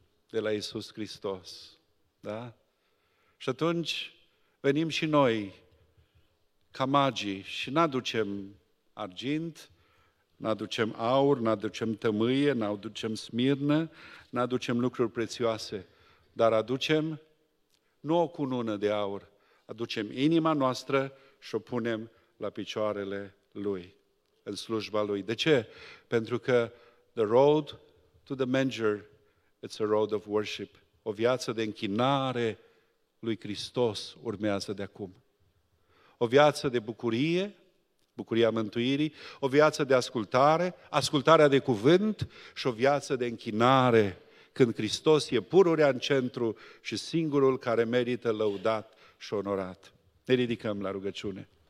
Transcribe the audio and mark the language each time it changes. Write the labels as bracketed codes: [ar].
[ro] De la Iisus Hristos. Da? Și atunci venim și noi ca magii și n-aducem argint, n-aducem aur, n-aducem tămâie, n-aducem smirnă, n-aducem lucruri prețioase, dar aducem nu o cunună de aur, aducem inima noastră și o punem la picioarele Lui, în slujba Lui. De ce? Pentru că [en] the road to the manger, it's a road of worship. [ro] O viață de închinare lui Hristos urmează de acum. O viață de bucurie, bucuria mântuirii, o viață de ascultare, ascultarea de cuvânt și o viață de închinare, când Hristos e pururea în centru și singurul care merită lăudat și onorat. Ne ridicăm la rugăciune.